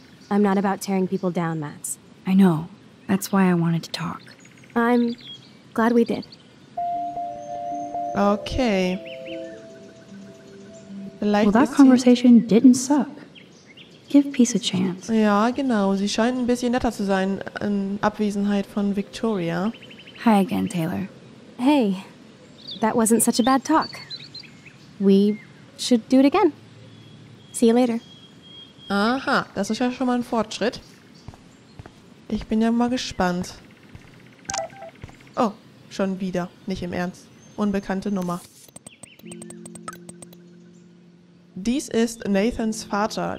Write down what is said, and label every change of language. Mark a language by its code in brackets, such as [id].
[en] I'm not about tearing people down, Max. I know. That's why I wanted to talk. I'm glad we did. Okay. [de] Vielleicht [en] well, that conversation didn't suck. Give peace a chance. [de] Ja, genau. Sie scheint ein bisschen netter zu sein in Abwesenheit von Victoria. [en] Hi again, Taylor. Hey, that wasn't such a bad talk. We should do it again. See you later. [de] Aha, das ist ja schon mal ein Fortschritt. Ich bin ja mal gespannt. Oh, schon wieder. Nicht im Ernst. Unbekannte Nummer. Dies ist Nathans Vater.